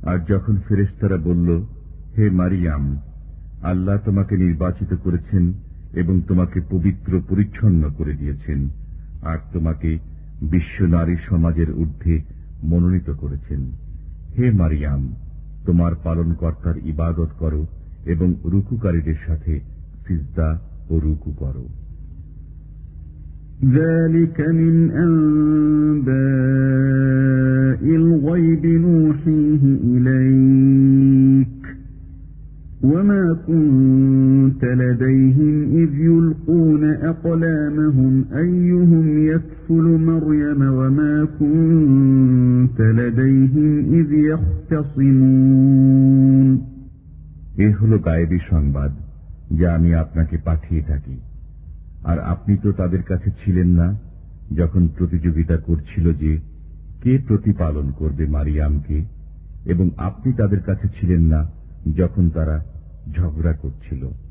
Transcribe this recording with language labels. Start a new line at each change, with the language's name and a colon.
Bangla: আর যখন ফেরেশতারা বলল, হে মারিয়াম, আল্লাহ তোমাকে নির্বাচিত করেছেন এবং তোমাকে পবিত্র পরিচ্ছন্ন করে দিয়েছেন, আর তোমাকে বিশ্ব নারী সমাজের ঊর্ধ্বে মনোনীত করেছেন, হে মারিয়াম, তোমার পালনকর্তার ইবাদত করো এবং রুকুকারীদের সাথে সিজদা ও রুকু করো।
Arabic: ذلك من أنباء الغيب نوحيه إليك وَمَا كُنْتَ لَدَيْهِمْ إِذْ يُلْقُونَ أَقْلَامَهُمْ أَيُّهُمْ يَكْفُلُ مَرْيَمَ وَمَا كُنْتَ لَدَيْهِمْ إِذْ يَخْتَصِمُونَ
Bangla: এ হলো গায়েবি সংবাদ যা আমি আপনাকে পাঠিয়ে থাকি, আর আপনি তো তাদের কাছে ছিলেন না যখন প্রতিযোগিতা করছিল যে কে প্রতিপালন করবে মারিয়ামকে, এবং আপনি তাদের কাছে ছিলেন না যখন তারা ঝগড়া করছিল।